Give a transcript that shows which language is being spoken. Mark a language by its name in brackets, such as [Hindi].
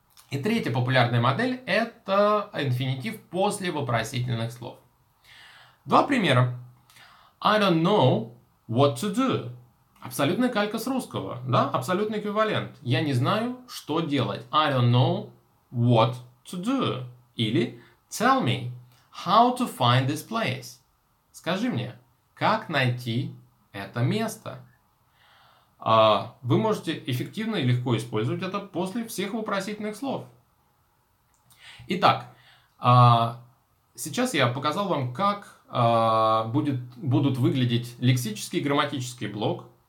[Russian] И третья популярная модель – это инфинитив после вопросительных слов. Два примера. [English] I don't know what to do. [Russian] Абсолютная калька с русского, да? Абсолютный эквивалент. Я не знаю, что делать. [English] I don't know what to do. [Russian] Или [English] tell me how to find this place. [Russian] Скажи мне, как найти это место? Вы можете эффективно и легко использовать это после всех вопросительных слов. Итак, сейчас я показал вам, как будут выглядеть лексический и грамматический блок.